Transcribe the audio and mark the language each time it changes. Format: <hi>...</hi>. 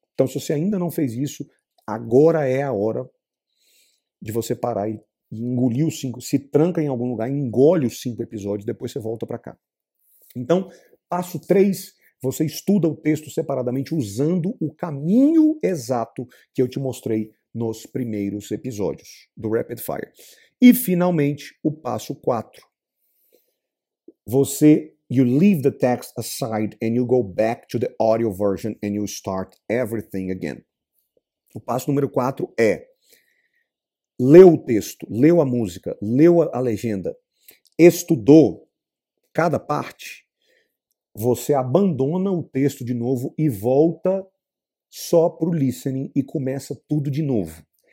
<pt>Então se você ainda não fez isso, agora é a hora de você parar e engolir os 5, se tranca em algum lugar, engole os 5 episódios, depois você volta para cá. Então, passo 3, você estuda o texto separadamente usando o caminho exato que eu te mostrei nos primeiros episódios do Rapid Fire. E, finalmente, o passo 4. Você,</pt> <en>you leave the text aside and you go back to the audio version and you start everything again.</en> <pt>O passo número 4 é leu o texto, leu a música, leu a legenda, estudou cada parte, você abandona o texto de novo e volta só para o listening e começa tudo de novo.</pt>